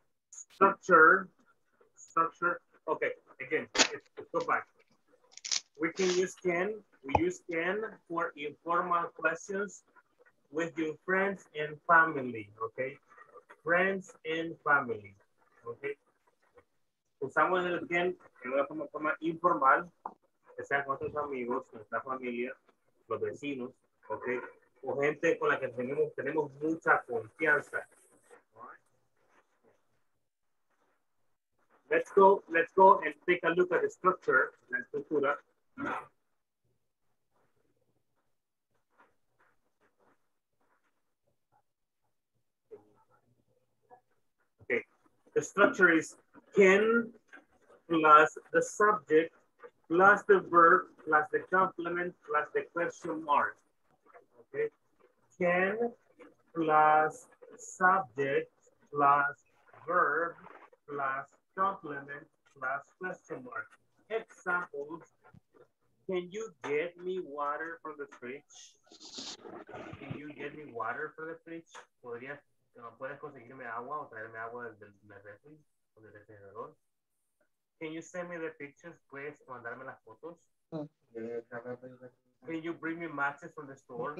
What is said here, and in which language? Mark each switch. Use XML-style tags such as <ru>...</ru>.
<en>Structure, okay, again, let's go back. We can use can, for informal questions with your friends and family, okay? Friends and family, okay?</en> <es>Usamos el can en una forma informal, que sean con sus amigos, nuestra familia, los vecinos, okay? O gente con la que tenemos mucha confianza.</es> <en>Let's go and take a look at the structure,</en> <es>la estructura.</es> <en>Okay, the structure is can plus the subject plus the verb plus the complement plus the question mark. Okay, can plus subject plus verb plus complement plus question mark. Examples. Can you get me water from the fridge? Can you get me water from the fridge?</en> <es>¿Puedes conseguirme agua o traerme agua del refrigerador?</es> <en>Can you send me the pictures?</en> <es>¿Puedes mandarme las fotos?</es> <en>Can you bring me matches from the store?</en>